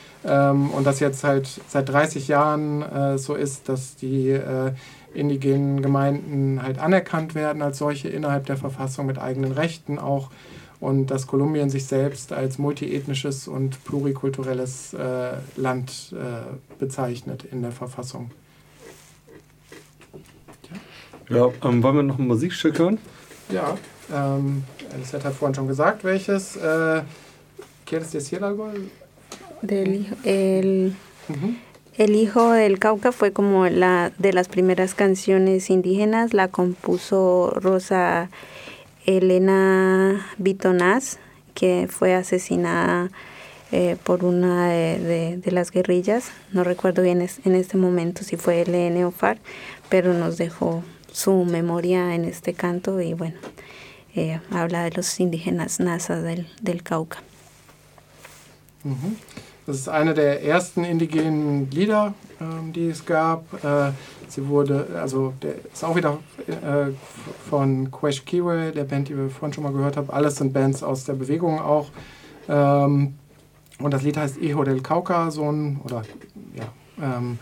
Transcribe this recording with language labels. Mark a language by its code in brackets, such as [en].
[de] Und dass jetzt halt seit 30 Jahren so ist, dass die indigenen Gemeinden halt anerkannt werden als solche innerhalb der Verfassung mit eigenen Rechten auch, und dass Kolumbien sich selbst als multiethnisches und plurikulturelles Land bezeichnet in der Verfassung. Ja, wollen wir noch ein Musikstück hören? Ja, Alice hat vorhin schon gesagt, welches. [es] ¿Quieres decir algo? El Hijo del Cauca fue como la de las primeras canciones indígenas, la compuso Rosa Elena Bitonaz, que fue asesinada por una de las guerrillas. No recuerdo bien en este momento si fue ELN o FARC, pero nos dejó su memoria en este canto y bueno, habla de los indígenas Nasa del Cauca. [de] Das ist eine der ersten indigenen Lieder, die es gab. Sie wurde, also der ist auch wieder von Quesh Kiwe, der Band, die wir vorhin schon mal gehört haben. Alles sind Bands aus der Bewegung auch. Und das Lied heißt Hijo del Cauca, Sohn, oder ja,